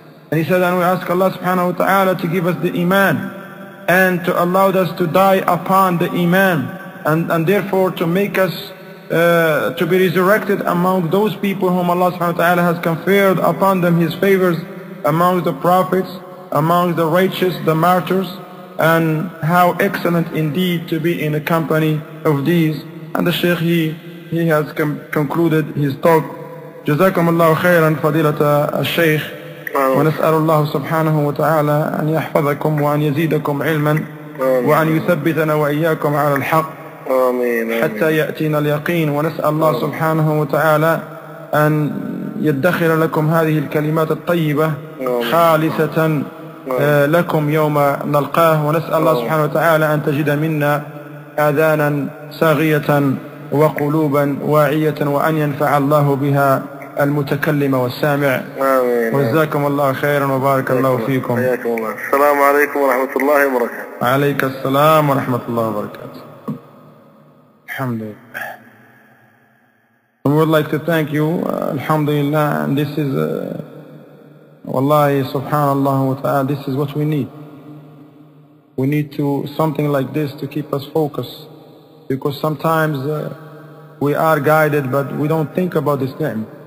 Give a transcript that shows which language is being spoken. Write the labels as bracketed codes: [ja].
[en] And he said, and we ask Allah subhanahu wa ta'ala to give us the iman, and to allow us to die upon the iman, and therefore to make us to be resurrected among those people whom Allah subhanahu wa ta'ala has conferred upon them his favors, among the prophets, among the righteous, the martyrs. And how excellent indeed to be in the company of these. And the Shaykh, he has concluded his talk. [ar] جزاكم الله خيرا فضيلة الشيخ. ونسأل الله سبحانه وتعالى أن يحفظكم وأن يزيدكم علما وأن يثبتنا وإياكم على الحق حتى يأتينا اليقين. ونسأل الله سبحانه وتعالى أن يدخر لكم هذه الكلمات الطيبة خالصة لكم يوم نلقاه. ونسأل الله سبحانه وتعالى أن تجد منا آذانا صاغية وقلوبا واعية وأن ينفع الله بها المتكلم والسامع. آمين. وجزاكم الله خيرا وبارك الله فيكم. حياكم الله. السلام عليكم ورحمة الله وبركاته. عليك السلام ورحمة الله وبركاته. الحمد لله. [en] We would like to thank you. Alhamdulillah. And this is Wallahi, subhanallah wa ta'ala, this is what we need. We need to something like this to keep us focused. Because sometimes we are guided, but we don't think about this thing.